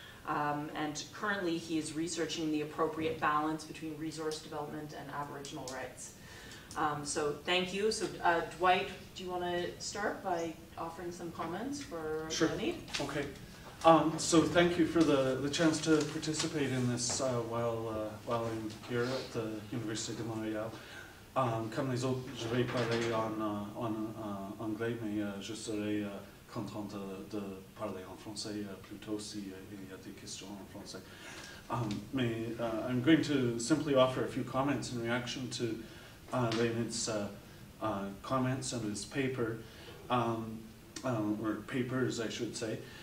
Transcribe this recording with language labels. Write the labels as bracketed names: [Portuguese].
[English] And currently, he is researching the appropriate balance between resource development and Aboriginal rights. So thank you. So Dwight, do you want to start by offering some comments for Leonid? Sure. Okay. So thank you for the chance to participate in this while I'm here at the University de Montréal. [French] Comme les autres, je vais parler en anglais, mais je serai content de parler en français plutôt si il y a des questions en français. [English] I'm going to simply offer a few comments in reaction to Leonid's comments and his paper, or papers, I should say.